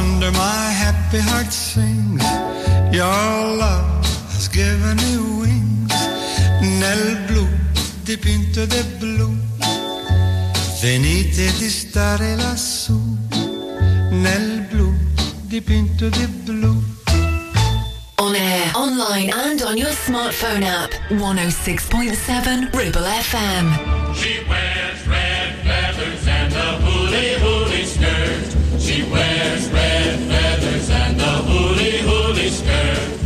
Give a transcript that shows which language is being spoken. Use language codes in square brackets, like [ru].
[en] My happy heart sings, your love has given me wings. [it] Nel blu, dipinto di blu, venite di stare lassù. Nel blu, dipinto di blu. [en] On air, online and on your smartphone app, 106.7 Ribble FM. She wears red feathers and a hooli hooli skirt. She wears red feathers and a hooli hooli skirt.